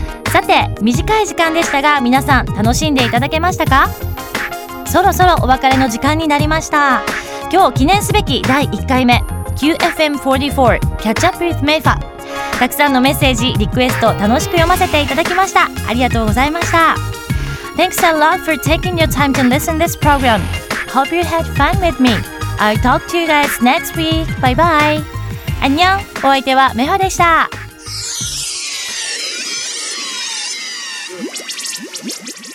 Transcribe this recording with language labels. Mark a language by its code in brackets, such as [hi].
[ja] さて、短い時間でしたが、皆さん楽しんでいただけましたか？そろそろお別れの時間になりました。今日記念すべき第1回目 QFM44 Catch Up with Mayfa、 たくさんのメッセージ、リクエスト楽しく読ませていただきました。ありがとうございました。 [en] Thanks a lot for taking your time to listen this program. Hope you had fun with me. I'll talk to you guys next week. Bye bye. [ko] 안녕。 [ja] お相手はメファでした。